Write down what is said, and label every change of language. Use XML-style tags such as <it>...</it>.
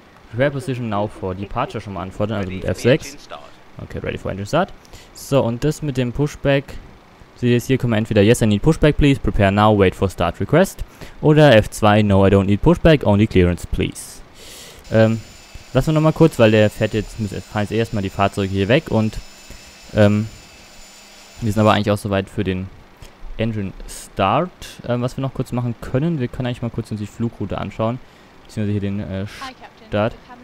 <en>Prepare Position now for Departure</en> <de>schon mal anfordern, also mit F6.</de> <en>Okay, ready for engine start.</en> <de>So, und das mit dem Pushback. Seht ihr es hier, können wir entweder</de> <en>yes, I need pushback, please, prepare now, wait for start request. Oder F2, no, I don't need pushback, only clearance, please.</en> <de>Lassen wir nochmal kurz, weil der fährt jetzt, fahren jetzt erstmal die Fahrzeuge hier weg und, wir sind aber eigentlich auch soweit für den Engine Start, was wir noch kurz machen können. Wir können eigentlich mal kurz uns die Flugroute anschauen, beziehungsweise hier den, Start.</de>